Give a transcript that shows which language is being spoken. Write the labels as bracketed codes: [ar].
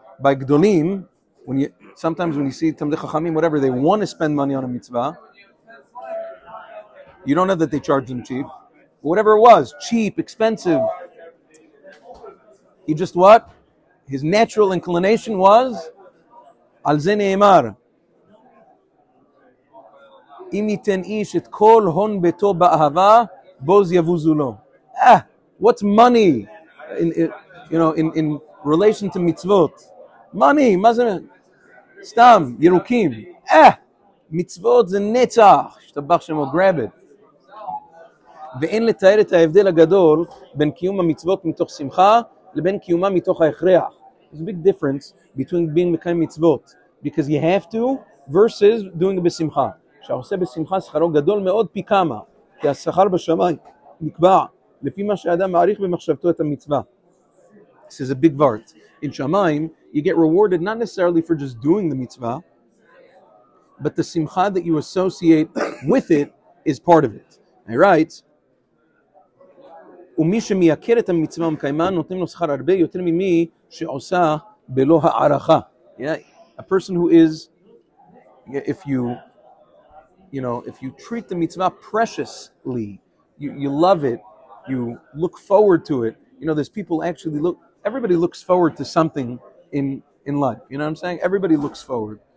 [en] By גדולים, sometimes when you see תלמידי חכמים, whatever, they want to spend money on a mitzvah, you don't know that they charge them cheap. Whatever it was, cheap, expensive. He just what? His natural inclination was, [he] על זה נאמר. אם ייתן איש את כל הון ביתו באהבה, בוז יבוזו לו. [en] Ah, what's money? In relation to mitzvot. Money, [he] מה זה? סתם, ירוקים. Ah, mitzvot זה נצח. שתבח שמו, [en] grab it. [he] ואין לתאר את ההבדל הגדול בין קיום המצוות מתוך שמחה לבין קיומה מתוך ההכרח. [en] There's a big difference between being [he] מקיים מצוות. [en] Because you have to versus doing it בשמחה. [he] שעושה בשמחה שכרו גדול מאוד פי כמה, כי השכר בשמיים נקבע לפי מה שאדם מעריך במחשבתו את המצווה. [en] This is a big part. In שמיים, you get rewarded not necessarily for just doing the mitzvah, but the simcha that you associate with it is part of it. I write, [he] ומי שמייקר את המצווה ומקיימה נותנים לו שכר הרבה יותר ממי שעושה בלא הערכה. [en] Yeah, a person who is, if you treat the mitzvah preciously, you love it, you look forward to it. You know, there's people actually look, everybody looks forward to something in life. You know what I'm saying? Everybody looks forward.